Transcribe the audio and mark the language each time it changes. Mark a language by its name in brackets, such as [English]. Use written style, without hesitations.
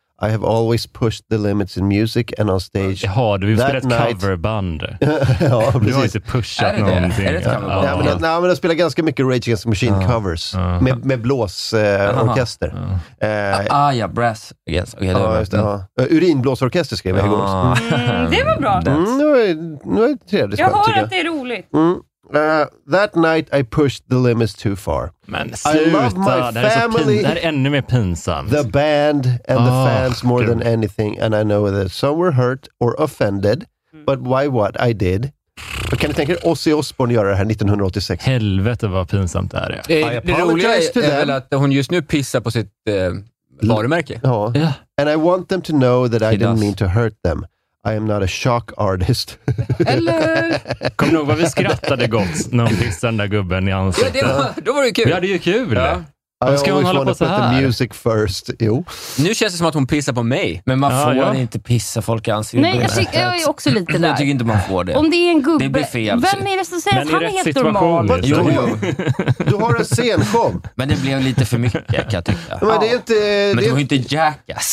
[English] I have always pushed the limits in music and on stage. [Swedish] Ja, du vill spela ett coverband. Ja, du har inte pushat någonting. Nej, men jag spelar ganska mycket Rage Against the Machine covers. Med blåsorkester. Ja, brass. Yes. Okay, urinblåsorkester skrev jag igår. Mm, det var bra. Nu är det trevligt. Jag hör att det är roligt. [English] That night I pushed the limits too far. [Swedish] Men sluta, [English] my family, [Swedish] det här är ännu mer pinsamt. [English] The band and the fans more than anything. And I know that some were hurt or offended. But why what I did? [Swedish] Kan ni tänka er Ozzy Osbourne göra det här 1986? Helvete vad pinsamt det här är. Det roliga är väl att hon just nu pissar på sitt varumärke. [English] And I want them to know that I didn't mean to hurt them. I am not a shock artist. [Swedish] Eller? Kom ihåg vad vi skrattade gott när hon pissade den där gubben i ansiktet. Ja, då var det ju kul. Ja, det är ju kul. Ja. [English] I ska always want to put the music first. [Swedish] Jo. Nu känns det som att hon pissar på mig. Men man får inte pissa folk i ansiktet. Nej, jag är också lite där. Jag tycker inte man får det. Om det är en gubbe. Det blir fel. Vem är det som säger att han är helt normal? Jo. Du har en scenkom. Men det blev lite för mycket, kan jag tycka. Ja. Men det är inte... Men det var ju inte Jackass.